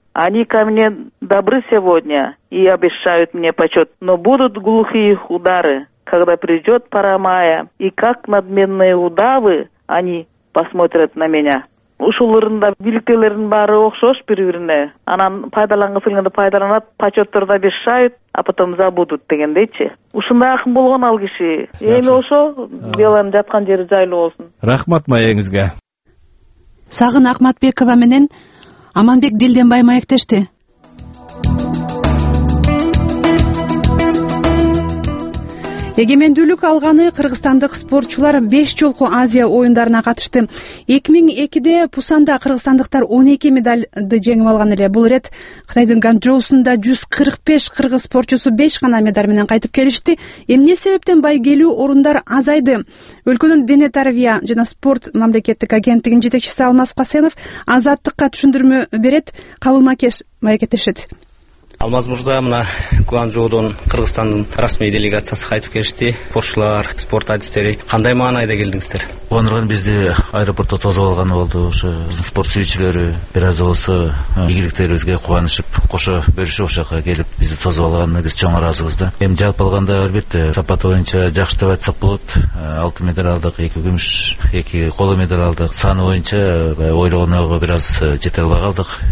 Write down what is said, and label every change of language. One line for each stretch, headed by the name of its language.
Russian: Они ко мне добры сегодня и обещают мне почет, но будут глухи их удары, когда придет пора мая, и как надменные удавы они посмотрят на меня».
Kyrgyz: Ушул ырында бийликтегилердин баары окшош бири бирине. Анан пайдаланганга келгенде пайдаланат, почеттерде
Russian: обещают, а потом забудут
Kyrgyz: дегендейчи. Ушундай акын болгон ал киши. Эми ошо Беланын жаткан жери жайлуу болсун. Рахмат маегиңизге. Сагын Ахматбекова менен Аманбек Дилденбай маектешти. Эгемендүүлүк алганы кыргызстандык спортчулар 5 жолку Азия оюндарына катышты. 2002-де Пусанда кыргызстандыктар 12 медальды жеңип алган эле. Бул ирет Кытайдын Ганчжоусунда 145 кыргыз спортчусу 5 гана медаль менен кайтып келишти. Эмне себептен байкелүү орундар азайды? Өлкөнүн дене тарбия жана спорт мамлекеттик агенттигинин жетекчиси Алмаз Касенов Азаттыкка түшүндүрмө берет. Кабыл Макеш маекеттешет. Алмаз Мырза, мына Гуанчжоудон Кыргызстандын расмий делегациясы кайтып келишти. Спортчулар, спорт адистери кандай маанайда келдиңиздер? Кубандырган бизди аэропортто тосуп алганы болду. Ошо спорт сүйүүчүлөрү бир аз болсо ийгиликтерибизге кубанышып кошо бөлүшүп ошол жака келип бизди тосуп алганына биз чоң ыраазыбыз да. Эми жалпы алганда албетте сапаты боюнча жакшы деп айтсак болот. 6 медаль алдык, 2 күмүш, 2 кола медаль алдык. Саны боюнча баягы ойлогондогу бир аз жете албай калдык.